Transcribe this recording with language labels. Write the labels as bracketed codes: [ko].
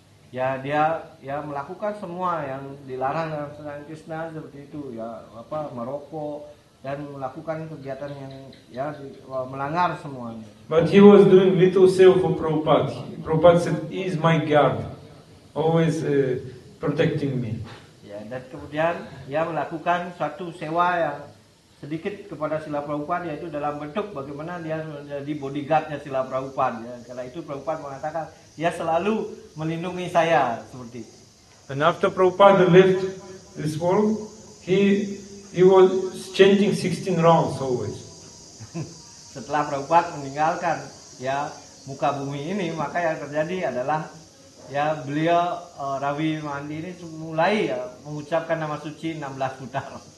[id] Ya, dia ya melakukan semua yang dilarang dalam Sang Krishna seperti itu, ya merokok dan melakukan kegiatan yang ya melanggar semuanya. [en] But he was doing little self for Prabhupada. Prabhupada said, he is my guard, always protecting me. [id] Ya, dan kemudian dia melakukan suatu sewa yang sedikit kepada Srila Prabhupada, yaitu dalam bentuk bagaimana dia menjadi bodyguardnya Srila Prabhupada. Ya, karena itu Prabhupada mengatakan dia selalu melindungi saya seperti itu. [en] And after Prabhupada left this world, he was chanting 16 rounds always. [id] Setelah Prabhupada meninggalkan ya muka bumi ini, maka yang terjadi adalah ya beliau Ravi Mandi ini mulai ya, mengucapkan nama suci 16 putaran.